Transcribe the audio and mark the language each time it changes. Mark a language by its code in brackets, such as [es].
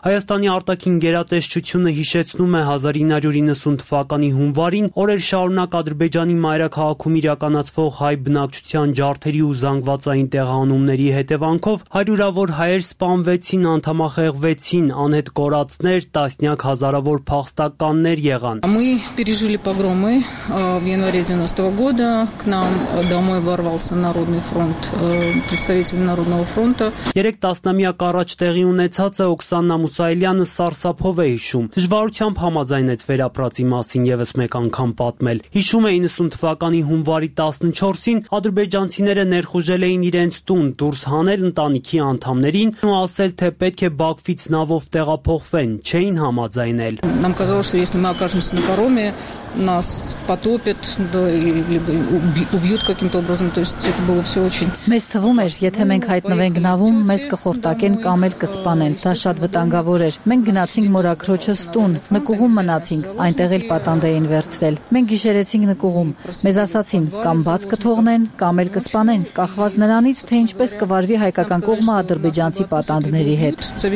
[hy] Հայաստանի արտաքին գերատեսչությունը հիշեցնում է 1990 թվականի հունվարին օրեր շարունակ Ադրբեջանի մայրաքաղաքում իրականացվող հայ բնակչության ջարդերի ու զանգվածային տեղահանումների հետևանքով։ Անկով հարյուրավոր հայեր սպանվեցին, անդամախեղվեցին, անհետ կորածներ, տասնյակ հազարավոր փախստականներ եղան։ [ru] Мы пережили погромы в январе 90-го года. К нам домой ворвался Народный фронт, представители Народного фронта. [hy] 3 տասնամյակ առաջ տեղի ունեցածը Օքսանա Մուսայելյանը սարսափով է հիշում։ Դժվարությամբ համաձայնեց վերապրածի մասին եւս մեկ անգամ պատմել։ Հիշում է 90 թվականի հունվարի 14-ին ադրբեջանցիները ներխուժել էին իրենց տուն, դուրս անել ընտանիքի անդամներին ու ասել, թե պետք է Բաքվից նավով տեղափոխվեն, չէին համաձայնել։ [ru] Нам казалось, что если мы окажемся на пароме, нас потопят, да, либо убьют каким-то образом, то есть это было всё очень. [hy] Մեզ թվում էր, եթե մենք հայտնվենք նավում, մեզ կխորտակեն կամ էլ կսպանեն, դա շատ վտանգավոր էր։ Մենք գնացինք Մորաքրոջս տուն, նկուղում մնացինք, այնտեղ էլ պատանդ էին վերցրել։ Մենք գիշերեցինք նկուղում, մեզ ասացին, կամ բաց կթողնեն, կամ էլ կսպանեն, կախված նրանից, թե ինչպես կվարվի հայկական կողմը ադրբեջանցի պատանդների հետ։